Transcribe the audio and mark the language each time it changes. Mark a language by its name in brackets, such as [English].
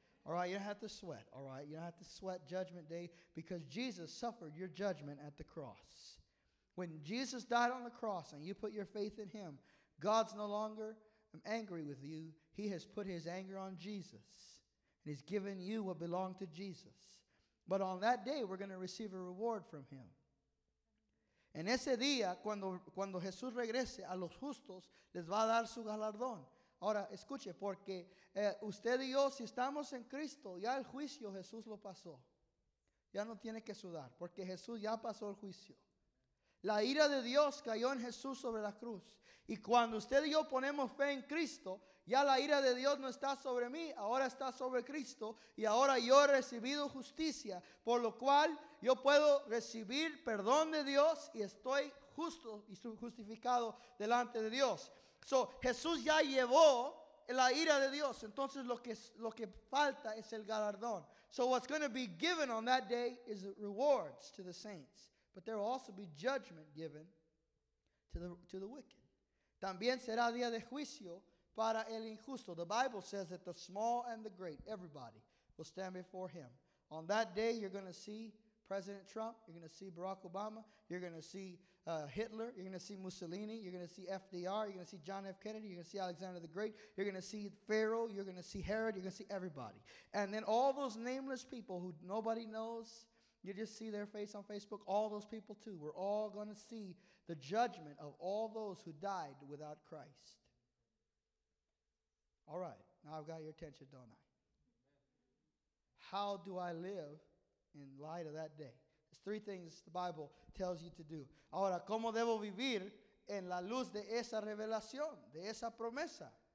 [English] All right, you don't have to sweat, all right? You don't have to sweat judgment day because Jesus suffered your judgment at the cross. When Jesus died on the cross and you put your faith in him, God's no longer I'm angry with you. He has put his anger on Jesus. And he's given you what belonged to Jesus. But on that day, we're going to receive a reward from him. [Spanish] En ese día, cuando Jesús regrese a los justos, les va a dar su galardón. Ahora, escuche, porque usted y yo, si estamos en Cristo, ya el juicio Jesús lo pasó. Ya no tiene que sudar, porque Jesús ya pasó el juicio. La ira de Dios cayó en Jesús sobre la cruz. Y cuando usted y yo ponemos fe en Cristo, ya la ira de Dios no está sobre mí, ahora está sobre Cristo. Y ahora yo he recibido justicia, por lo cual yo puedo recibir perdón de Dios y estoy justo y justificado delante de Dios. So, Jesús ya llevó la ira de Dios. Entonces, lo que falta es el galardón. [English] So, what's going to be given on that day is rewards to the saints. But there will also be judgment given to the wicked. [Spanish] También será día de juicio para el injusto. [English] The Bible says that the small and the great, everybody, will stand before him. On that day, you're going to see President Trump. You're going to see Barack Obama. You're going to see Hitler. You're going to see Mussolini. You're going to see FDR. You're going to see John F. Kennedy. You're going to see Alexander the Great. You're going to see Pharaoh. You're going to see Herod. You're going to see everybody. And then all those nameless people who nobody knows, you just see their face on Facebook, all those people too. We're all going to see the judgment of all those who died without Christ. All right, now I've got your attention, don't I? How do I live in light of that day? There's three things the Bible tells you to do. [Spanish] Ahora, ¿cómo debo vivir en la luz de esa revelación, de esa promesa?